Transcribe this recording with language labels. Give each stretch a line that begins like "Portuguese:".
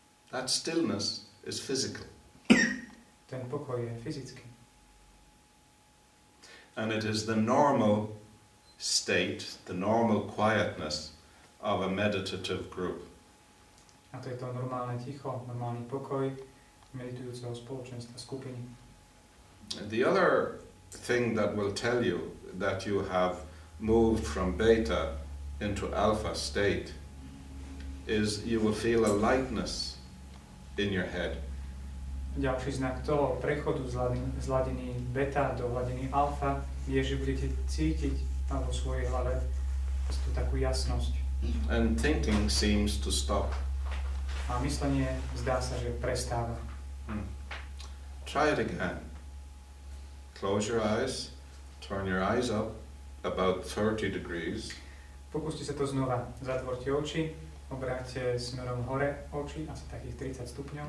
English: That stillness is physical.
Slovak: Ten pokoj je fyzický.
English: And it is the normal state, the normal quietness of a meditative group.
Slovak: A to je to normálne ticho, normálny pokoj meditujúceho spoločenstva, skupiny.
English: The other thing that will tell you that you have moved from beta into alpha state is you will feel a lightness in your head.
Slovak: Ďalší znak toho prechodu z hladiny beta do hladiny alfa je, že budete cítiť tam vo svojej hlave tú takú jasnosť.
English: And thinking seems to stop.
Slovak: A myslenie zdá sa, že prestáva.
English: Try it again. Close your eyes. Turn your eyes up about 30 degrees.
Slovak: Pokúste sa to znova. Zatvorte oči. Obráťte smerom hore oči, asi takých 30 stupňov.